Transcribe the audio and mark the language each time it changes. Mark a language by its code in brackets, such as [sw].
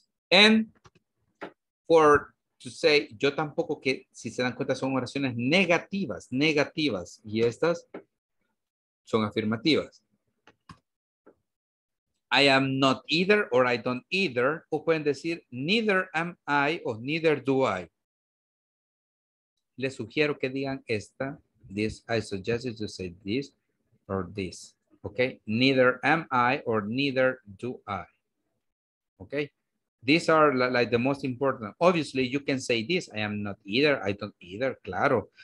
[en] And for to say [es] yo tampoco, que si se dan cuenta son oraciones negativas y estas son afirmativas. [en] I am not either or I don't either. [es] O pueden decir [en] neither am I o neither do I. [es] Les sugiero que digan esta. [en] This, I suggest you to say this or this. Okay, neither am I or neither do I. Okay, these are like the most important. Obviously, you can say this. I am not either. I don't either. Claro.